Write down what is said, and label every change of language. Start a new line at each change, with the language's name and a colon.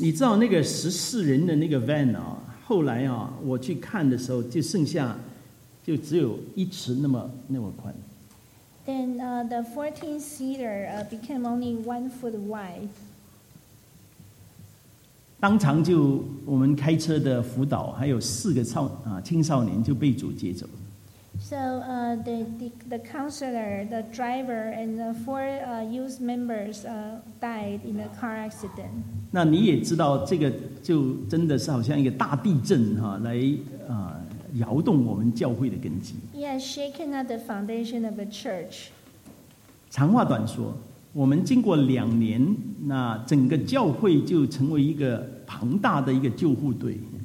Chinese: 你知道那个14人的那个 van 啊，后来啊，我去看的时候就剩下就只有1尺那么宽。
English: Then the 14-seater became only 1 foot wide.
Chinese: 当场就我们开车的辅导还有四个青少年就被主接走。
English: So the counselor, the driver, and the four youth members died in a car accident.
Chinese: 那你也知道，这个就真的是好像一个大地震来摇动我们教会的根基。
English: Yes, shaking up the foundation of a church.
Chinese: 长话短说，我们经过两年，那整个教会就成为一个庞大的一个救护队。